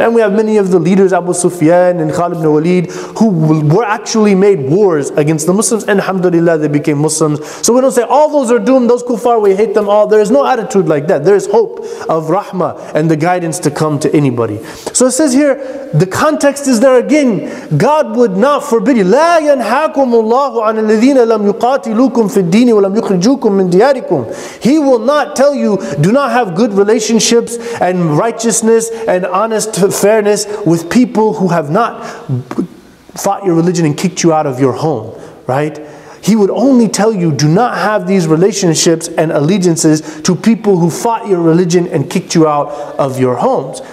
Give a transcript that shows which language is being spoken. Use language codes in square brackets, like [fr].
[en] And we have many of the leaders, Abu Sufyan and Khalid ibn Walid, who were actually made wars against the Muslims, and alhamdulillah, they became Muslims. So we don't say, all those are doomed, those kuffar, we hate them all. There is no attitude like that. There is hope of rahmah and the guidance to come to anybody. So it says here, the context is there again. God would not forbid you. [ar] لا ينحاكم الله عن الذين لم يقاتلوكم في الدين ولم يخرجوكم من دياركم. [en] He will not tell you, do not have good relationships and righteousness and honest fairness with people who have not fought your religion and kicked you out of your home, right? He would only tell you, do not have these relationships and allegiances to people who fought your religion and kicked you out of your homes.